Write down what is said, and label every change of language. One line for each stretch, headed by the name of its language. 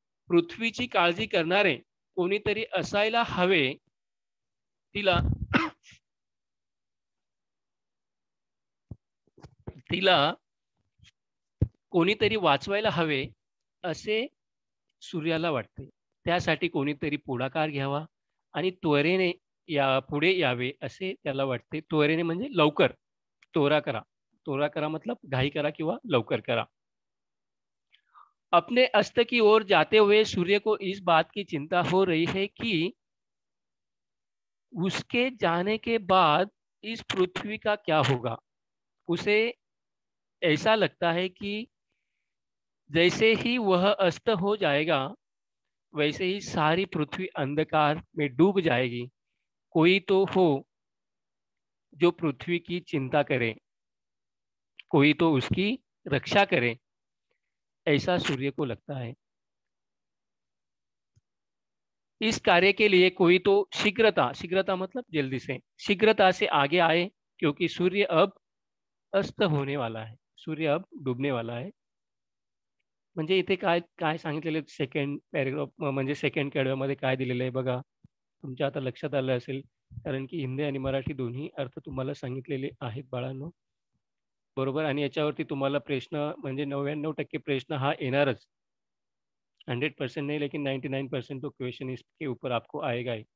Marathi: पृथ्वीची काळजी करणारे कोणीतरी असायला हवे तिला कोणीतरी वाचवायला हवे असे सूर्याला वाटते। त्यासाठी कोणीतरी पुढाकार घ्यावा आणि त्वरेने या पुढे यावे असे त्याला वाटते। त्वरेने म्हणजे लवकर, तोरा करा, तोरा करा मतलब घाई करा किंवा लवकर करा।
Hindi: अपने अस्त की ओर जाते हुए सूर्य को इस बात की चिंता हो रही है कि उसके जाने के बाद इस पृथ्वी का क्या होगा। उसे ऐसा लगता है कि जैसे ही वह अस्त हो जाएगा वैसे ही सारी पृथ्वी अंधकार में डूब जाएगी। कोई तो हो जो पृथ्वी की चिंता करे, कोई तो उसकी रक्षा करे, ऐसा सूर्य को लगता है। इस कार्य के लिए कोई तो शीघ्रता, शीघ्रता मतलब जल्दी से, शीघ्रता से आगे आए क्योंकि सूर्य अब अस्त होने वाला है, सूर्य अब डूबने वाला है।
Marathi: म्हणजे इथे काय काय सांगितलेलं, सेकंड पॅरेग्राफ म्हणजे सेकंड कडव्यामध्ये काय दिलेलं आहे बघा, तुमच्या आता लक्षात आलं असेल, कारण की हिंदी आणि मराठी दोन्ही अर्थ तुम्हाला सांगितलेले आहेत बाळांनो, बरोबर, आणि याच्यावरती तुम्हाला प्रश्न म्हणजे 99% प्रश्न हा येणारच, 100% नाही
Hindi: लेकिन 99% तो क्वेश्चन इस के ऊपर आपको आएगा।